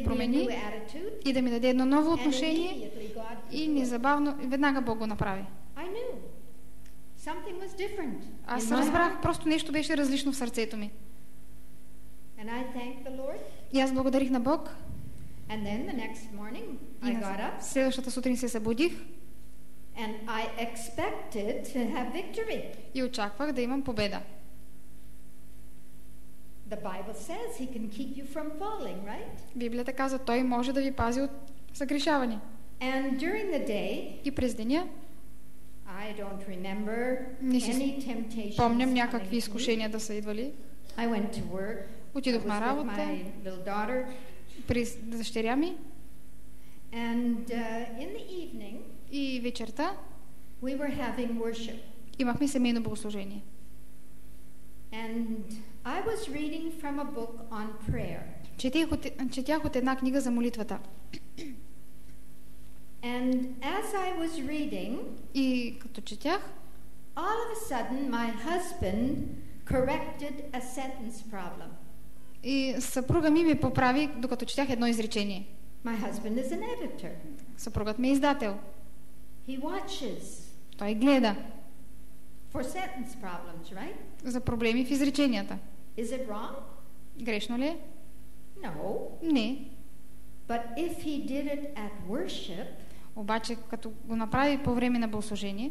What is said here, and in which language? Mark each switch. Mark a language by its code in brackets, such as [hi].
[en] and give me a new attitude. [bg] И да ми даде едно ново отношение. [en] And immediately God [bg] и незабавно, веднага Бог го направи. [en] I knew. Something was different. [bg] Аз разбрах, просто нещо беше различно в сърцето ми. [en] And I thanked the Lord. [bg] И аз благодарих на Бог. [en] And then the next morning I got up. [bg] Следващата сутрин се събудих. [en] And I expected to have victory. [bg] И очаквах да имам победа. [en] The Bible says he can keep you from falling, right? [bg] Библията казва, той може да ви пази от съгрешаване. [en] And during the day, [bg] и през деня, [en] I don't remember [bg] не си [en] any temptations. [bg] Помням някакви изкушения да са идвали. [en] I went to work. [bg] Отидох на работа. [en] My little daughter. [bg] При дъщеря ми. [en] And in the evening, [bg] и вечерта [en] we were having worship. [bg] Имахме семейно богослужение. [en] And I was reading from a book on prayer. [bg] Четях от една книга за молитвата. [en] And as I was reading, [bg] и като четях, [en] all of a sudden my husband corrected a sentence problem. [bg] И съпруга ми ме поправи, докато четях едно изречение. [en] My husband is an editor. [bg] Съпругът ми е издател. [en] He watches. [bg] Той гледа. [en] For sentence problems, right? [bg] За проблеми в изреченията. [en] Is it wrong? [bg] Грешно ли е? [en] No. [bg] Не. [en] But if he did it at worship, [bg] обаче като го направи по време на богослужение,